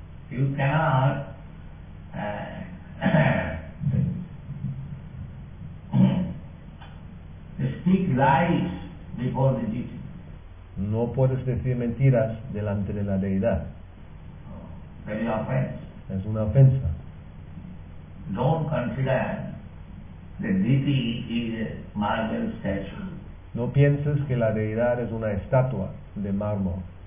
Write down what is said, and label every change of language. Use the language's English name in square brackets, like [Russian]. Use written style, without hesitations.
[English] You cannot speak lies before the deity. [Spanish] No puedes decir mentiras delante de la deidad. [English] Very offense. [Spanish] Es una ofensa. [English] Don't consider the deity is a marble statue. [Spanish] No pienses que la deidad es una estatua de mármol.